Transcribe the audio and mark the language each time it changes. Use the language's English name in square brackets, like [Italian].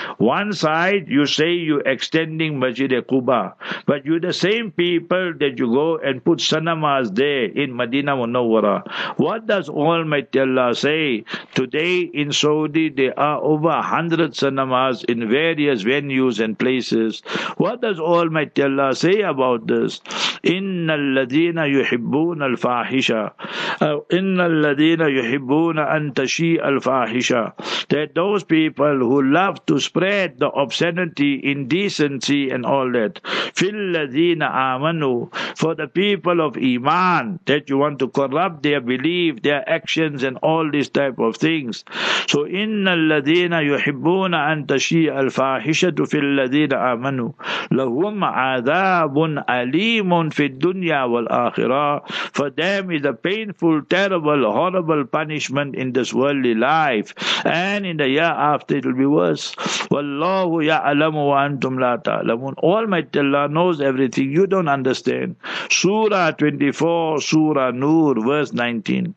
[English] One side, you say you're extending Masjid-e-Quba, but you're the same people that you go and put sanamas there in Medina Munawwara. What does Almighty Allah say? Today in Saudi, there are over 100 sanamas in various venues and places. What does Almighty Allah say about this? [Arabic] إِنَّ الَّذِينَ يُحِبُّونَ يحبون الفاحشة أو إن الذين يحبون أن تشيء الفاحشة. [English] That those people who love to spread the obscenity, indecency and all that. [Arabic] في الذين آمنوا. [English] For the people of Iman, that you want to corrupt their belief, their actions and all these type of things. [Arabic] So إن الذين يحبون أن تشيء الفاحشة في الذين آمنوا لهم عذاب أليم في الدنيا والآخرة. [English] For them is a painful, terrible, horrible punishment in this worldly life, and in the year after it will be worse. [Arabic] وَاللَّهُ يَعْلَمُ وَأَنْتُمْ لَا تَعْلَمُونَ. [English] Almighty Allah knows everything. You don't understand. Surah 24, Surah Nur, verse 19.